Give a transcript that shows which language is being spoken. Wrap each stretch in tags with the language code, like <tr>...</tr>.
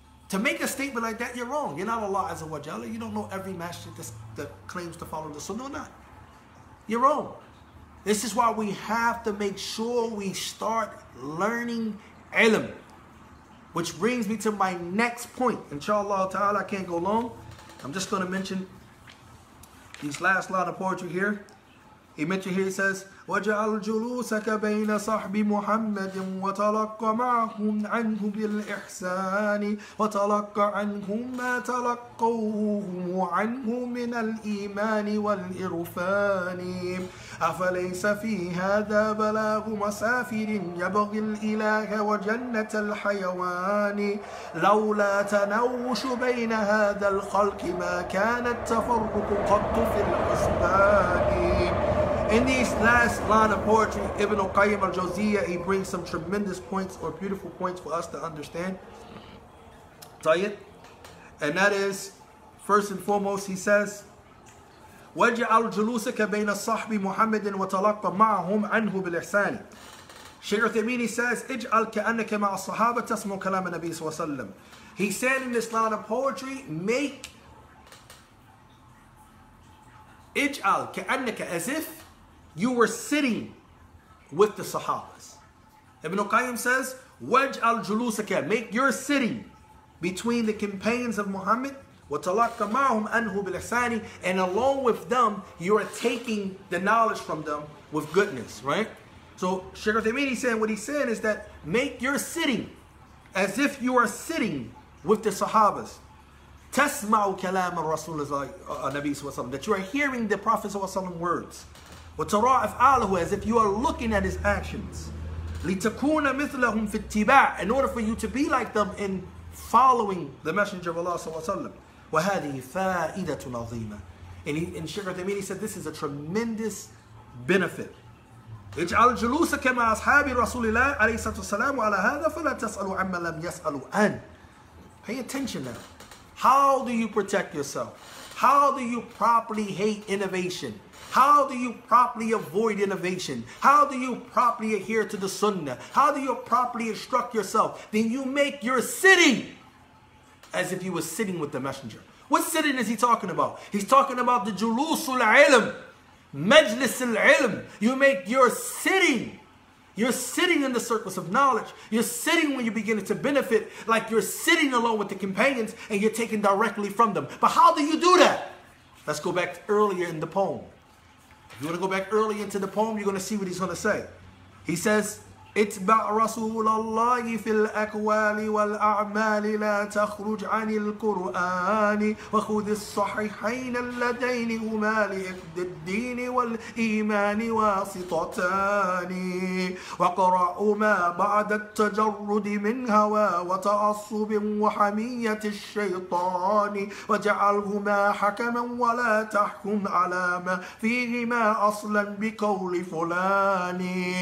<en>To make a statement like that, you're wrong. You're not Allah Azza wa Jalla. You don't know every masjid that claims to follow the Sunnah or not. You're wrong. This is why we have to make sure we start learning ilm, which brings me to my next point. Inshallah ta'ala, I can't go long. I'm just going to mention these last line of poetry here. He mentioned here, he says,</en> <ar>وَجَعَلْ جُلُوسَكَ بَيْنَ صَحْبِ مُحَمَّدٍ وَتَلَقَّ مَعْهُمْ عَنْهُ بِالْإِحْسَانِ وَتَلَقَّ عَنْهُمْ مَا تَلَقَّوْهُ عَنْهُ مِنَ الْإِيمَانِ وَالْإِرْفَانِ أَفَلَيْسَ فِي هَذَا بَلَاغُ مَسَافِرٍ يَبْغِي الْإِلَهَ وَجَنَّةَ الْحَيَوَانِ لَوْلَا تَنَوُّشُ بَيْنَ هَذَا الْخَلْقِ مَا كَانَ التَّفَرُّقُ قَطُّ فِي الْحُسْبَانِ.</ar> <en>In these last line of poetry, Ibn al-Qayyim al-Jawziyyah, he brings some tremendous points or beautiful points for us to understand.</en> <ar>Tayyid.</ar> <en>And that is, first and foremost, he says,</en> <ar>وَجْعَلْ جُلُوسَكَ بَيْنَ صَحْبِ مُحَمَّدٍ وَتَلَقَّ مَعْهُمْ عَنْهُ بِالْإِحْسَانِ.</ar> <en>Shaykh Uthaymeen says,</en> <ar>اِجْعَلْ كَأَنَّكَ مَعَ الصَّحَابَةَ تَسْمُوا كَلَامَ النَّبِي صلى الله عليه وسلم.</ar> <en>He said in this line of poetry, make</en> <ar>اِجْعَلْ كَأَنَّكَ</ar> <en>as if you were sitting with the Sahabas. Ibn al-Qayyim says,</en> <ar>وَجْعَلْ جُلُوسَكَ,</ar> <en>make your sitting between the companions of Muhammad,</en> <ar>وَتَلَقَّ مَعْهُمْ أَنْهُ بِالْإِحْسَانِ,</ar> <en>and along with them, you are taking the knowledge from them with goodness, right? So Shaykh Uthaymeen saying, what he's saying is that make your sitting as if you are sitting with the Sahabas.</en> <ar>تَسْمَعُ كَلَامَ الرَّسُولِ النَّبِي صلى الله عليه وسلم,</ar> <en>that you are hearing the Prophet</en> <ar>صلى الله عليه وسلم</ar> <en>words.</en> <ar>وترى أفعاله,</ar> <en>as if you are looking at his actions.</en> <ar>لتكون مثلهم في اتباع,</ar> <en>in order for you to be like them in following the Messenger of Allah</en> <ar>صلى الله عليه وسلم. وهذه فائدة عظيمة.</ar> <en>And Shaykh Uthaymeen said, this is a tremendous benefit.</en> <ar>اجعل جلوسك مع أصحاب رسول الله عليه الصلاة والسلام وعلى هذا فلا تسألوا عما لم يسألوا أن.</ar> <en>Pay attention now. How do you protect yourself? How do you properly hate innovation? How do you properly avoid innovation? How do you properly adhere to the Sunnah? How do you properly instruct yourself? Then you make your sitting as if you were sitting with the messenger. What sitting is he talking about? He's talking about the julusul ilm, majlisul ilm. You make your sitting. You're sitting in the circles of knowledge. You're sitting when you're beginning to benefit, like you're sitting alone with the companions and you're taking directly from them. But how do you do that? Let's go back earlier in the poem. If you want to go back early into the poem, you're going to see what he's going to say. He says,</en> <ar>اتبع رسول الله في الأقوال والأعمال لا تخرج عن القرآن وخذ الصحيحين اللذين هما لحفظ الدين والإيمان واسطتان وقرأهما بعد التجرد من هوى وتعصب وحمية الشيطان وجعلهما حكما ولا تحكم على ما فيهما أصلا بقول فلان.</ar>